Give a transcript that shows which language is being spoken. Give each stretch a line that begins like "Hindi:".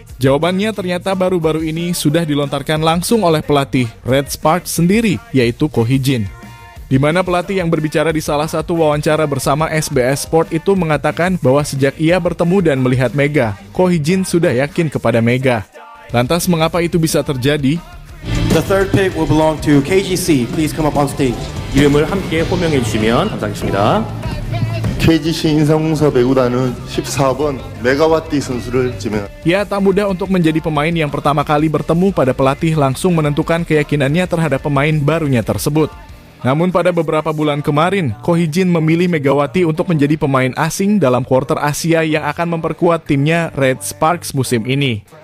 Indonesian: Jawabannya ternyata baru-baru ini sudah dilontarkan langsung oleh pelatih Red Sparks sendiri, yaitu Ko Hee-jin. Di mana pelatih yang berbicara di salah satu wawancara bersama SBS Sport itu mengatakan bahwa sejak ia bertemu dan melihat Mega, Ko Hee-jin sudah yakin kepada Mega. Lantas mengapa itu bisa terjadi?
English: The third pick will belong to KGC. Please come up on stage.
Korean: 이름을 함께 호명해 주시면 감사하겠습니다. KGC 인삼공사 배구단은 14번 메가와티 선수를 지명합니다.
Indonesian: Ya, tak mudah untuk menjadi pemain yang pertama kali bertemu pada pelatih langsung menentukan keyakinannya terhadap pemain barunya tersebut. Namun pada beberapa bulan kemarin, Ko Hee-jin memilih Megawati untuk menjadi pemain asing dalam quarter Asia yang akan memperkuat timnya Red Sparks musim ini.